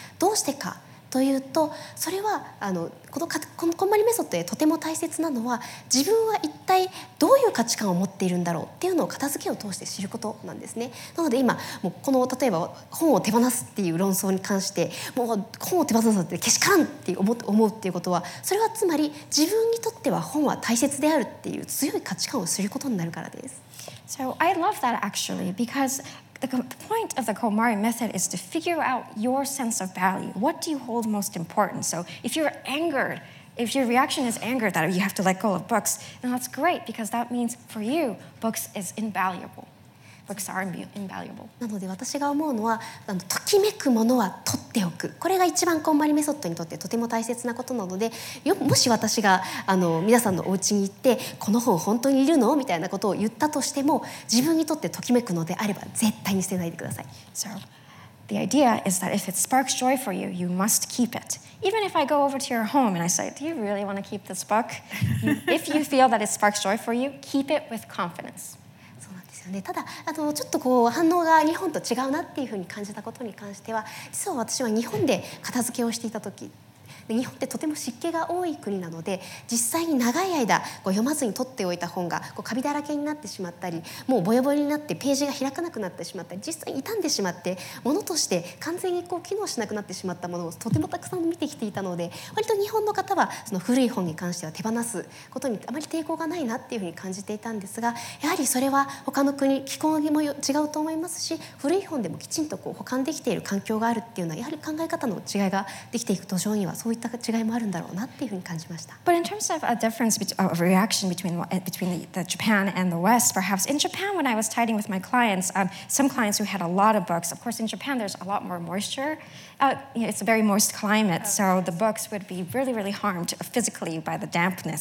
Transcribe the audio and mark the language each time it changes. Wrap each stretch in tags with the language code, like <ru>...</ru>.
<ja>どうしてかというと、それはこのこんまりメソッドでとても大切なのは、自分は一体どういう価値観を持っているんだろうっていうのを片付けを通して知ることなんですね。なので今もうこの例えば本を手放すっていう論争に関して、もう本を手放すってけしからんって思うっていうことは、それはつまり自分にとっては本は大切であるっていう強い価値観を知ることになるからです。</ja> <en>So I love that actually, because the point of the KonMari method is to figure out your sense of value. What do you hold most important? So if you're angered, if your reaction is anger that you have to let go of books, then that's great, because that means for you, books is invaluable. Books are invaluable.</en> <ja>なので私が思うのは、ときめくものは取っておく。これが一番KonMariメソッドにとってとても大切なことなので、もし私が皆さんのお家に行って、この本本当にいるの? みたいなことを言ったとしても、自分にとってときめくのであれば絶対に捨てないでください。</ja> <en>So, the idea is that if it sparks joy for you, you must keep it. Even if I go over to your home and I say, do you really want to keep this book? If you feel that it sparks joy for you, keep it with confidence.</en> <ja>ただちょっとこう反応が日本と違うなっていうふうに感じたことに関しては、実は私は日本で片付けをしていた時、日本ってとても湿気が多い国なので、実際に長い間こう読まずに取っておいた本がこうカビだらけになってしまったり、もうボヨボヨになってページが開かなくなってしまったり、実際に傷んでしまって物として完全にこう機能しなくなってしまったものをとてもたくさん見てきていたので、割と日本の方はその古い本に関しては手放すことにあまり抵抗がないなっていうふうに感じていたんですが、やはりそれは他の国気候にも違うと思いますし、古い本でもきちんとこう保管できている環境があるっていうのは、やはり考え方の違いができていく途上にはそういったった違いもあるんだろうなっていうふうに感じました。</ja> <en>But in terms of a difference of reaction between the Japan and the West, perhaps in Japan when I was tidying with my clients, some clients who had a lot of books, of course in Japan there's a lot more moisture. It's a very moist climate, so the books would be really, really harmed physically by the dampness.</en>